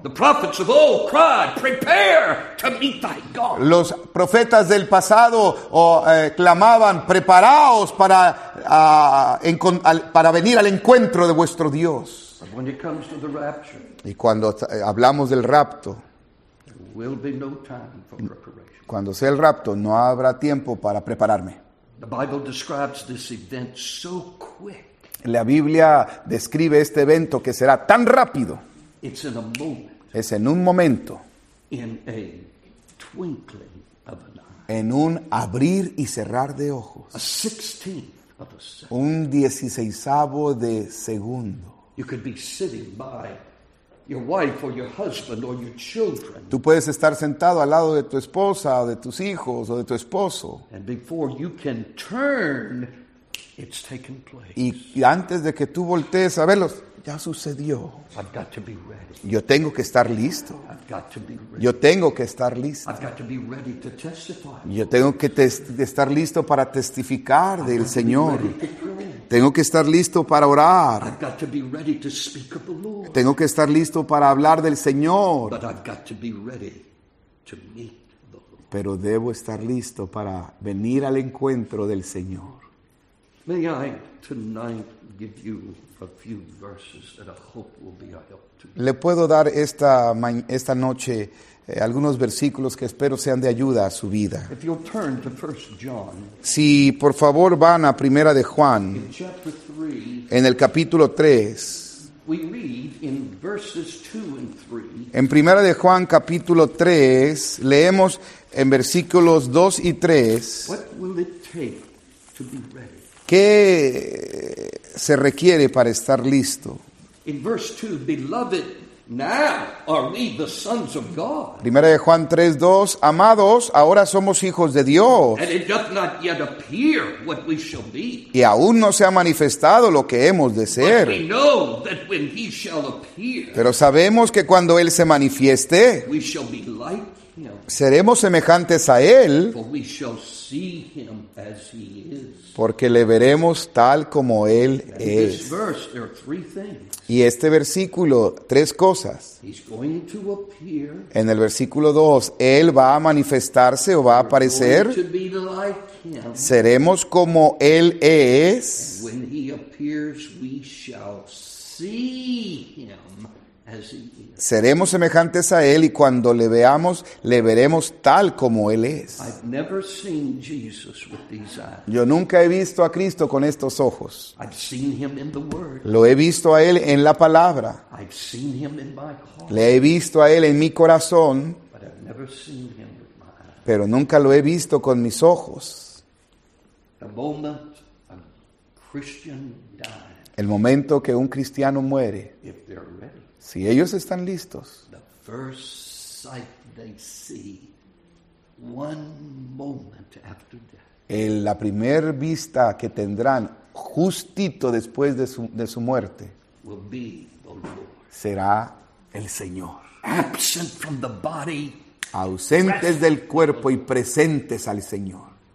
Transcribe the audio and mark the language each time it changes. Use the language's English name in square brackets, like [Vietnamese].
[English] The prophets of old cried, prepare to meet thy God. [Spanish] Los profetas del pasado clamaban, preparaos para venir al encuentro de vuestro Dios. [English] But when it comes to the rapture, [Spanish] y cuando hablamos del rapto, [English] will be no time for preparation. [Spanish] Cuando sea el rapto, no habrá tiempo para prepararme. [English] The Bible describes this event so quick. [Spanish] La Biblia describe este evento que será tan rápido. [English] It's in a moment. [Spanish] Es en un momento. [English] In a twinkling of an eye. [Spanish] En un abrir y cerrar de ojos. [English] A 16th of a second. [Spanish] Un 16avo de segundo. [English] You could be sitting by your wife or your husband or your children. [Spanish] Tú puedes estar sentado al lado de tu esposa, de tus hijos o de tu esposo. [English] And before you can turn, it's taken place. [Spanish] Y antes de que tú voltees a verlos, ya sucedió. [English] I've got to be ready. [Spanish] Yo tengo que estar listo. [English] I've got to be ready. [Spanish] Yo tengo que estar listo. [English] I've got to be ready to testify. [Spanish] Yo tengo que estar listo para testificar del Señor. Tengo que estar listo para orar. [English] I've got to be ready to speak of the Lord. [Spanish] Tengo que estar listo para hablar del Señor. [English] But I've got to be ready to meet the Lord. [Spanish] Pero debo estar listo para venir al encuentro del Señor. [English] May I tonight give you a few verses that I hope will be a help to you? [Spanish] Le puedo dar esta noche algunos versículos que espero sean de ayuda a su vida. [English] If you'll turn to 1 John, [Spanish] si por favor van a Primera de Juan, [English] in chapter 3, [Spanish] en el capítulo 3, [English] We read in verses 2 and 3. [Spanish] En Primera de Juan capítulo 3 leemos en versículos 2 y 3. [English] What will it take to be ready? [Spanish] ¿Qué se requiere para estar listo? [English] In verse 2, beloved, now are we the sons of God. [Spanish] Primera de Juan 3:2, amados, ahora somos hijos de Dios. [English] And it doth not yet appear what we shall be. [Spanish] Y aún no se ha manifestado lo que hemos de ser. [English] But we know that when he shall appear, [Spanish] pero sabemos que cuando él se manifieste, [English] we shall be like him. [Spanish] Seremos semejantes a él. [English] For we shall see him as he is. [Spanish] Porque le veremos tal como él es. [English] This verse, there are three things. [Spanish] Y este versículo, tres cosas. [English] He's going to appear. [Spanish] En el versículo 2, él va a manifestarse o va a aparecer. [English] We're going to be like him. [Spanish] Seremos como él es. [English] And when he appears, we shall see him as he is. [Spanish] Seremos semejantes a él y cuando le veamos, le veremos tal como él es. [English] I've never seen Jesus with these eyes. [Spanish] Yo nunca he visto a Cristo con estos ojos. [English] I've seen him in the word. [Spanish] Lo he visto a él en la palabra. [English] I've seen him in my heart. [Spanish] Le he visto a él en mi corazón. [English] But I've never seen him with my eyes. [Spanish] Pero nunca lo he visto con mis ojos. [English] The moment a Christian dies, [Spanish] el momento que un cristiano muere, [English] if they're ready, [Spanish] si ellos están listos, [English] the first sight they see, one moment after death, [Spanish] en la primer vista que tendrán justito después de su muerte, [English] will be the Lord. [Spanish] Será el Señor. [English] Absent from the body, [Spanish] ausentes del cuerpo y presentes al Señor.